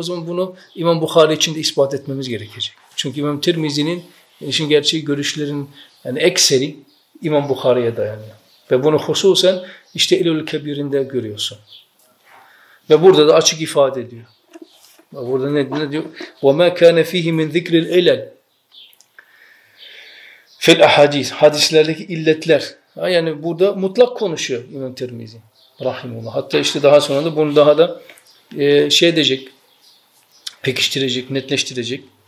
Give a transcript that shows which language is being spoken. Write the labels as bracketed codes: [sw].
[tr] O zaman bunu İmam Bukhari için de ispat etmemiz gerekecek. Çünkü İmam Tirmizi'nin işin gerçeği görüşlerin yani ekseri İmam Bukhari'ye dayanıyor. Ve bunu hususen işte Elul Kebir'inde görüyorsun. Ve burada da açık ifade ediyor. Ve burada ne diyor? [ar] وَمَا كَانَ فِيهِ مِنْ ذِكْرِ الْاِلَلْ فِي الْاَحَد۪يثِ [tr] Hadislerdeki illetler. Yani burada mutlak konuşuyor İmam Tirmizi. Rahimullah. Hatta işte daha sonra da bunu daha da şey edecek, pekiştirecek, netleştirecek.